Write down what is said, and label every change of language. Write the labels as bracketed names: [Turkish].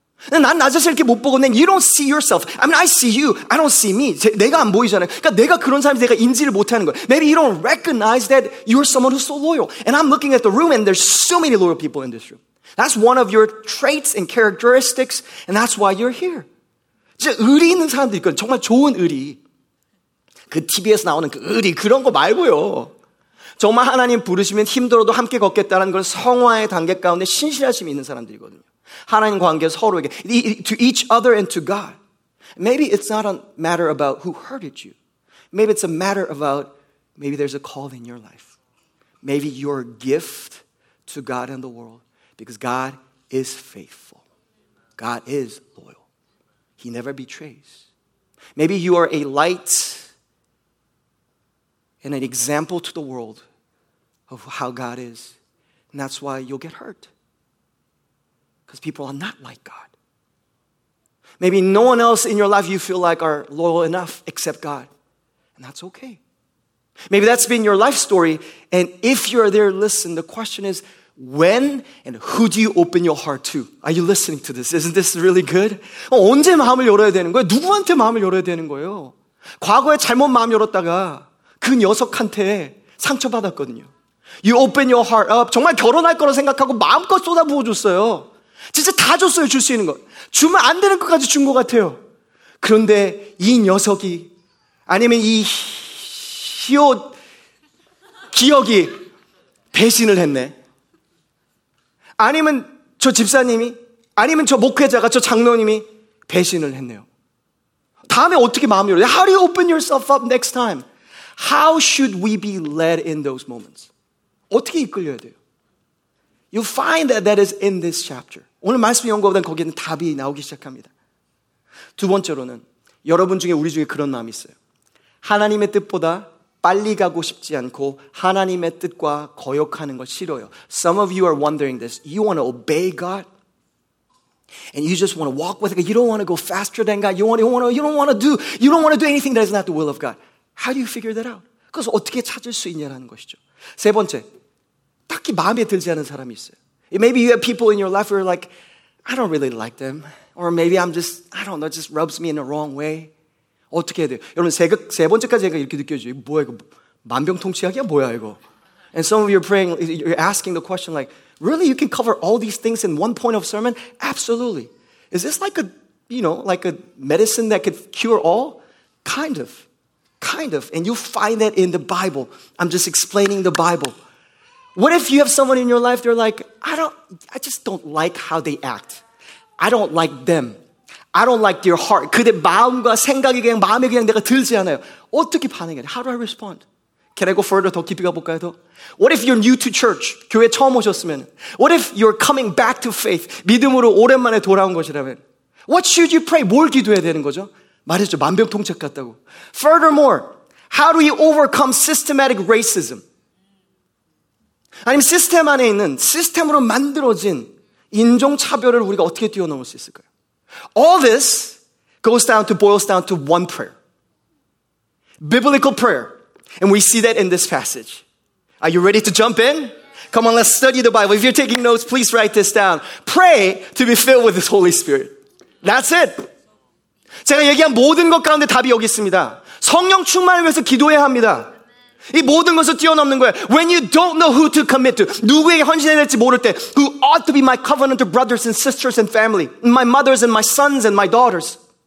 [Korean] 난 나 자신을 이렇게 못 보고 난 [English] you don't see yourself. I mean I see you. I don't see me. [Korean] 내가 안 보이잖아요. 그러니까 내가 그런 사람이 내가 인지를 못하는 거예요. [English] Maybe you don't recognize that you're someone who's so loyal. And I'm looking at the room and there's so many loyal people in this room. That's one of your traits and characteristics and that's why you're here. [Korean] 진짜 의리 있는 사람도 있거든. 정말 좋은 의리. 그 TV에서 나오는 그 의리 그런 거 말고요. 정말 하나님 부르시면 힘들어도 함께 걷겠다는 그런 성화의 단계 가운데 신실하심이 있는 사람들이거든요. 하나님 관계 서로에게 [English] to each other and to God. Maybe it's not a matter about who hurted you. Maybe it's a matter about maybe there's a call in your life. Maybe your gift to God and the world because God is faithful. God is loyal. He never betrays. Maybe you are a light and an example to the world of how God is. And that's why you'll get hurt. Because people are not like God. Maybe no one else in your life you feel like are loyal enough except God. And that's okay. Maybe that's been your life story. And if you're there, listen, the question is, when and who do you open your heart to? Are you listening to this? Isn't this really good? [Korean] 언제 마음을 열어야 되는 거예요? 누구한테 마음을 열어야 되는 거예요? 과거에 잘못 마음 열었다가 그 녀석한테 상처받았거든요. [English] You open your heart up. [Korean] 정말 결혼할 거라 생각하고 마음껏 쏟아부어줬어요. 진짜 다 줬어요, 줄 수 있는 것. 주면 안 되는 것까지 준 것 같아요. 그런데 이 녀석이 아니면 이 기억이 배신을 했네. 아니면 저 집사님이 아니면 저 목회자가 저 장로님이 배신을 했네요. 다음에 어떻게 마음 열어요? [English] How do you open yourself up next time? How should we be led in those moments? [Korean] 어떻게 이끌려야 돼요? [English] You'll find that that is in this chapter. [Korean] 오늘 말씀 연구하다 거기에는 답이 나오기 시작합니다. 두 번째로는 여러분 중에 우리 중에 그런 마음이 있어요. 하나님의 뜻보다 빨리 가고 싶지 않고 하나님의 뜻과 거역하는 걸 싫어요. [English] Some of you are wondering this. You want to obey God? And you just want to walk with God? You don't want to go faster than God? You don't want to do anything that is not the will of God? How do you figure that out? [Korean] 그것을 어떻게 찾을 수 있냐라는 것이죠. 세 번째, 딱히 마음에 들지 않은 사람이 있어요. [English] Maybe you have people in your life who are like, I don't really like them. Or maybe I'm just, I don't know, it just rubs me in the wrong way. [Korean] 어떻게 해야 돼요? 여러분, 세 번째까지 제가 이렇게 느껴져요. 뭐야 이거, 만병통치약이야 뭐야 이거. [English] And some of you are praying, you're asking the question like, really you can cover all these things in one point of sermon? Absolutely. Is this like a, you know, like a medicine that could cure all? Kind of, and you'll find that in the Bible. I'm just explaining the Bible. What if you have someone in your life, they're like, I just don't like how they act. I don't like them. I don't like their heart. [Korean] 그대 마음과 생각이 그냥 마음에 그냥 내가 들지 않아요. 어떻게 반응해? [English] How do I respond? Can I go further? [Korean] 더 깊이 가볼까요? 더? [English] What if you're new to church? [Korean] 교회 처음 오셨으면. [English] What if you're coming back to faith? [Korean] 믿음으로 오랜만에 돌아온 것이라면. [English] What should you pray? [Korean] 뭘 기도해야 되는 거죠? 말했죠. 만병통책 같다고. [English] Furthermore, how do we overcome systematic racism? [Korean] 아니면 시스템 안에 있는, 시스템으로 만들어진 인종차별을 우리가 어떻게 뛰어넘을 수 있을까요? [English] All this boils down to one prayer. Biblical prayer. And we see that in this passage. Are you ready to jump in? Come on, let's study the Bible. If you're taking notes, please write this down. Pray to be filled with the Holy Spirit. That's it. [Korean] 제가 얘기한 모든 것 가운데 답이 여기 있습니다. 성령 충만을 위해서 기도해야 합니다. 이 모든 것을 뛰어넘는 거예요. [English] When you don't know who to commit to, [Korean] 누구에게 헌신해야 될지 모를 때, [English] who ought to be my covenant brothers and sisters and family, my mothers and my sons and my daughters.